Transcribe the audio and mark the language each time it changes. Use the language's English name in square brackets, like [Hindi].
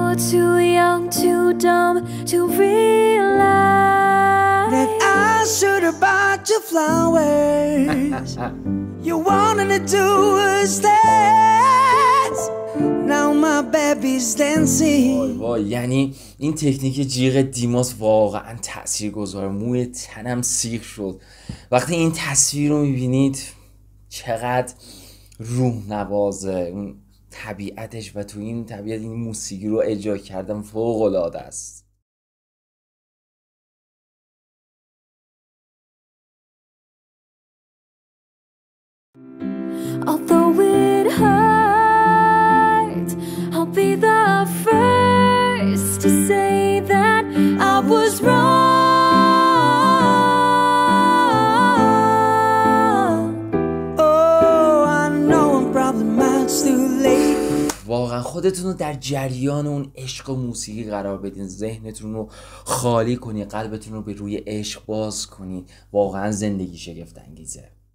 [English] Too young, too dumb to realize that I should have bought you flowers. You wanted to do was dance. Now my baby's dancing. [Persian] یعنی این تکنیک جیغ دیماس واقعا تاثیرگذار. موی تنم سیخ شد وقتی این تصویر رو میبینید. چقدر روح نوازه طبیعتش و تو این طبیعت این موسیقی رو اجرا کردم. فوق‌العاده است. [English] Although it hurts, I'll be the first to say that I was wrong. Oh, I know I'm probably much too late. [Persian] واقعا خودتون رو در جریان اون عشق و موسیقی قرار بدین. ذهنتون رو خالی کنین، قلبتون رو به روی عشق باز کنین. واقعا زندگی شگفت انگیزه.